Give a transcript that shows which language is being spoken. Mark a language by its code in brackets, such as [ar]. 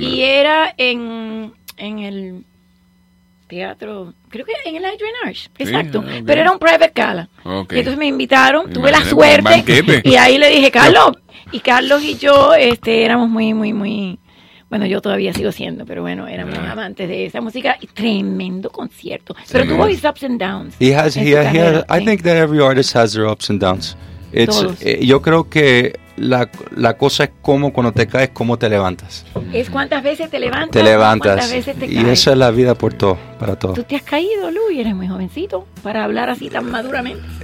[es] Y era en el teatro, creo que en el Adrian Arch, exacto. Sí, pero era un [en] private gala. Okay. [es] Entonces me invitaron, tuve la suerte. Y ahí le dije, Carlos... Y Carlos y yo éramos muy, muy, muy... Bueno, yo todavía sigo siendo, pero bueno, éramos amantes de esa música. Y tremendo concierto. Pero tuvo [en] his ups and downs. I think that every artist has their ups and downs. It's, [es] yo creo que la cosa es cómo, cuando te caes, cómo te levantas. Es cuántas veces te levantas. Te levantas. Cuántas veces te caes. Y esa es la vida por todo, para todo. ¿Tú te has caído, Luis? Eres muy jovencito para hablar así tan maduramente.